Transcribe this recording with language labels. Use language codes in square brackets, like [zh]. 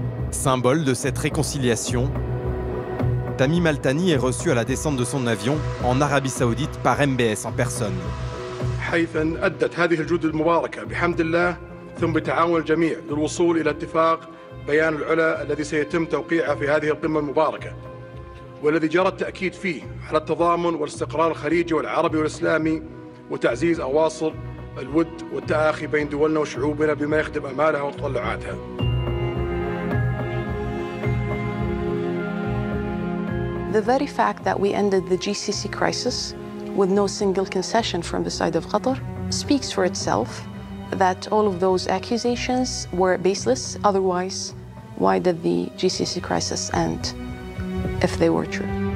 [fr] Symbole de cette réconciliation, Tamim al-Thani est reçu à la descente de son avion en Arabie Saoudite par MBS en personne. [ar] حيثاً أدت هذه الجود المباركة بحمد الله ثم بتعاون الجميع للوصول إلى اتفاق بيان العلا الذي سيتم توقيعه في هذه القمة المباركة والذي جرى التأكيد فيه على التضامن والاستقرار الخليجي والعربي والإسلامي وتعزيز أواصر الود والتآخي بين دولنا وشعوبنا بما يخدم أمالها وتطلعاتها. [en] The very fact that we ended the GCC crisis with no single concession from the side of Qatar speaks for itself that all of those accusations were baseless. Otherwise, why did the GCC crisis end if they were true?